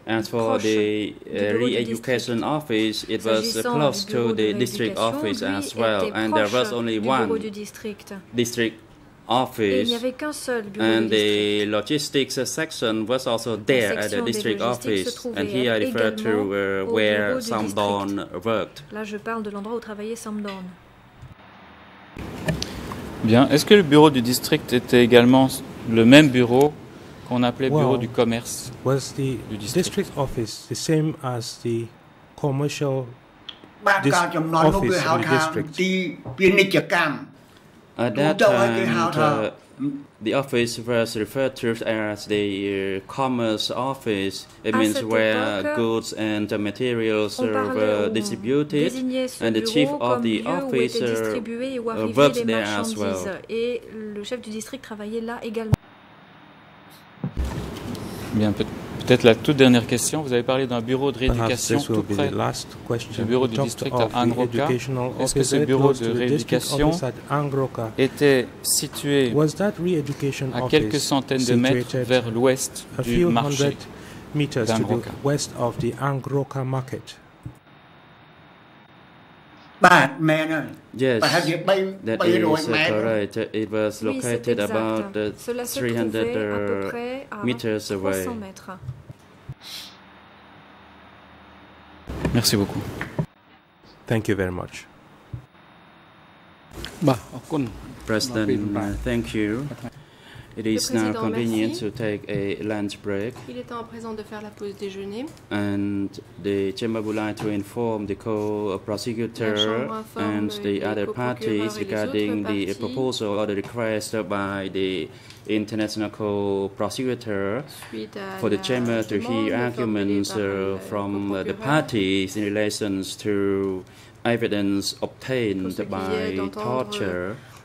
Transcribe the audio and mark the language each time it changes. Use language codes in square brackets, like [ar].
[en] As for the re-education office, it was close to the district office as well, and there was only one district office, and the logistics section was also there at the district office, and here I refer to where Samdon worked. [fr] Là, je parle de l'endroit où travaillait Samdon. Bien, est-ce que le bureau du district était également le même bureau qu'on appelait bureau du commerce? [en] Was the district office the same as the commercial office in the district? At that time, the office was referred to as the commerce office. It means where goods and materials were distributed. And the chief of the office worked there as well. [fr] Et le chef du district travaillait là également. Bien, peut-être la toute dernière question. Vous avez parlé d'un bureau de rééducation tout près. [en] The last question. [fr] Le bureau du district à Angroka. Est-ce que ce bureau de rééducation était situé à quelques centaines de mètres vers l'ouest du marché d'Angroka? [en] West of the Angroka market. Yes, that is correct. It was located about 300 meters away. [fr] Merci beaucoup. [en] Thank you very much. President, thank you. It is now convenient to take a lunch break. [fr] Il est temps à présent de faire la pause déjeuner. [en] And the chamber would like to inform the co-prosecutor and the other parties regarding the proposal or the request by the international co-prosecutor for the chamber to hear arguments from the parties in relation to evidence obtained by torture.